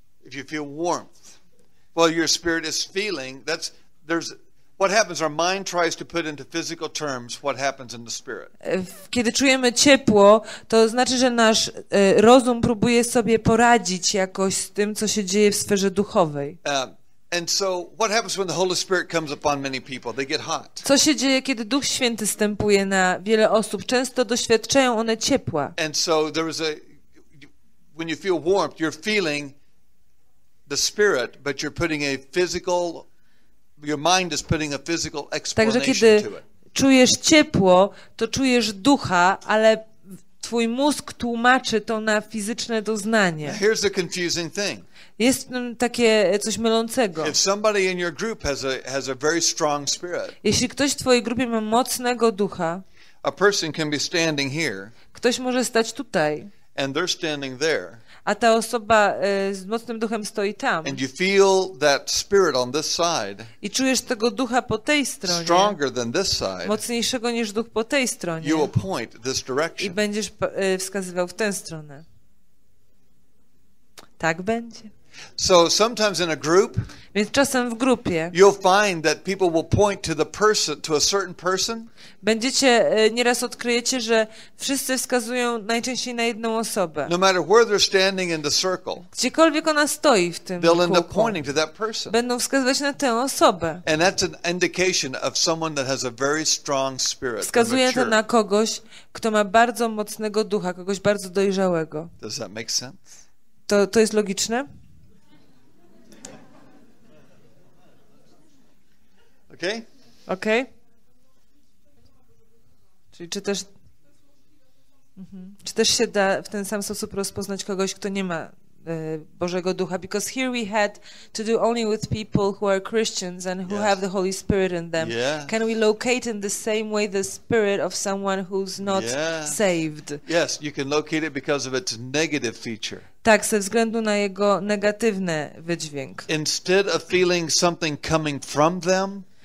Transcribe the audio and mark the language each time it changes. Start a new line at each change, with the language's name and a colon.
English: If you feel warmth, well, your spirit is feeling, that's, there's, what happens, our mind tries to put into physical terms what happens in the spirit.
Polish: Kiedy czujemy ciepło, to znaczy, że nasz rozum próbuje sobie poradzić jakoś z tym, co się dzieje w sferze duchowej.
English: And so what happens when the Holy Spirit comes upon many people? They get hot.
Polish: Co się dzieje, kiedy Duch Święty stępuje na wiele osób? Często doświadczają one ciepła.
English: And so there is a, when you feel warmth, you're feeling the spirit, but you're putting a physical, your mind is putting a physical explanation to it.
Polish: Także kiedy czujesz ciepło, to czujesz ducha, ale twój mózg tłumaczy to na fizyczne doznanie.
English: Now here's a confusing thing.
Polish: Jest takie coś mylącego.
English: If somebody in your group has a very strong spirit.
Polish: Jeśli ktoś w twojej grupie ma mocnego ducha.
English: A person can be standing here.
Polish: Ktoś może stać tutaj.
English: And they're standing there.
Polish: A ta osoba z mocnym duchem stoi tam.
English: And you feel that spirit on this side.
Polish: I czujesz tego ducha po tej stronie.
English: Stronger than this side.
Polish: Mocniejszego niż duch po tej stronie.
English: You will point this direction.
Polish: I będziesz wskazywał w tę stronę. Tak będzie.
English: So sometimes in a group,
Polish: więc czasem w grupie,
English: you'll find that people will point to the person, to a certain person.
Polish: Będziecie nieraz odkryjecie, że wszyscy wskazują najczęściej na jedną osobę.
English: No matter where they're standing in the circle,
Polish: gdziekolwiek ona stoi w tym
English: they'll
Polish: kółku,
English: end up pointing to that person.
Polish: Będą wskazywać na tę osobę.
English: And that's an indication of someone that has a very strong spirit.
Polish: Wskazuje to na kogoś, kto ma bardzo mocnego ducha, kogoś bardzo dojrzałego.
English: Does that make sense?
Polish: To jest logiczne?
English: Okay.
Polish: Czyli czy też się da w ten sam sposób rozpoznać kogoś, kto nie ma Bożego Ducha?
English: Because here we had to do only with people who are Christians and who yes. have the Holy Spirit in them. Yeah. Can we locate in the same way the spirit of someone who's not yeah. saved? Yes, you can locate it because of its negative feature.
Polish: Tak, ze względu na jego negatywny wydźwięk.
English: Instead of feeling something coming from them,